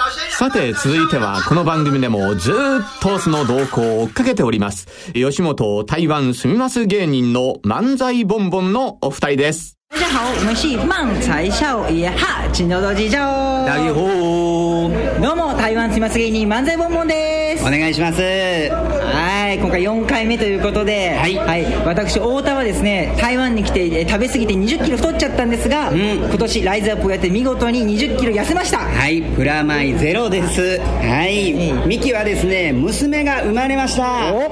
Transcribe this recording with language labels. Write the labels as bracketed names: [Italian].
[Japanese] さて続いてはこの番組でもずーっとその動向を追っかけております吉本台湾住みます芸人の漫才ボンボンのお二人です。 [Chinese] 大家好，我们是漫才少爷哈，请多多指教。大家好， [Japanese] どうも台湾住みます芸人漫才ボンボンです。お願いします。はい、今回4回目ということで、はい、はい、私太田はですね、台湾に来て食べ過ぎて20キロ太っちゃったんですが、うん、今年ライズアップをやって見事に20キロ痩せました。はい、プラマイゼロです。はい、ミキはですね、娘が生まれました。